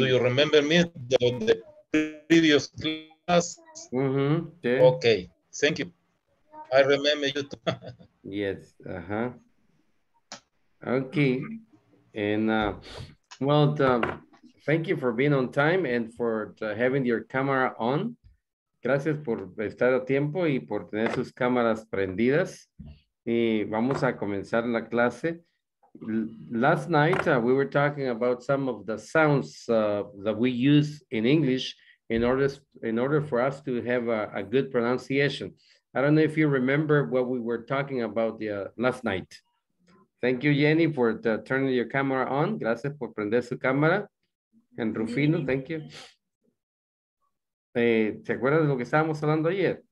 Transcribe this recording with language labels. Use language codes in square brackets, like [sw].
[en] Do you remember me? The previous class? Mm-hmm. Yeah. Okay. Thank you. I remember you too. Yes. Uh-huh. Okay. And well, thank you for being on time and for having your camera on. [es] Gracias por estar a tiempo y por tener sus cámaras prendidas. Y vamos a comenzar la clase. [en] Last night, we were talking about some of the sounds that we use in English in order for us to have a good pronunciation. I don't know if you remember what we were talking about last night. Thank you, Jenny, for turning your camera on. [es] Gracias por prender su cámara. [en] And Rufino, thank you. [es] ¿Te acuerdas de lo que estábamos hablando ayer?